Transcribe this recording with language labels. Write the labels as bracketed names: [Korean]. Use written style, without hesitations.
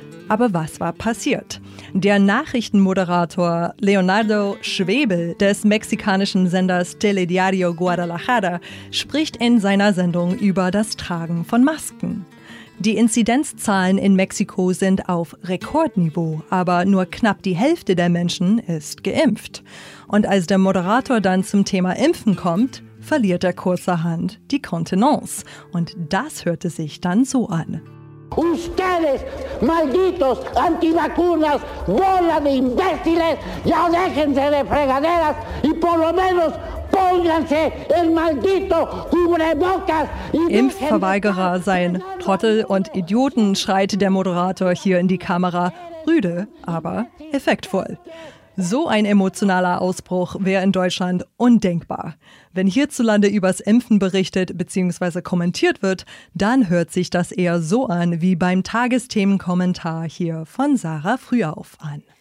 [German] Aber was war passiert? Der Nachrichtenmoderator Leonardo Schwebel des mexikanischen Senders Telediario Guadalajara spricht in seiner Sendung über das Tragen von Masken. Die Inzidenzzahlen in Mexiko sind auf Rekordniveau, aber nur knapp die Hälfte der Menschen ist geimpft. Und als der Moderator dann zum Thema Impfen kommt, verliert er kurzerhand die Kontenance. Und das hörte sich dann so an. [Spanish] Ustedes, malditos antivacunas, bola de imbéciles, ya déjense de fregaderas y por lo menos pónganse el maldito cubrebocas. [German] Impfverweigerer seien Trottel und Idioten, schreit der Moderator hier in die Kamera. Rüde, aber effektvoll. So ein emotionaler Ausbruch wäre in Deutschland undenkbar. Wenn hierzulande übers Impfen berichtet bzw. kommentiert wird, dann hört sich das eher so an wie beim Tagesthemenkommentar hier von Sarah Frühauf an.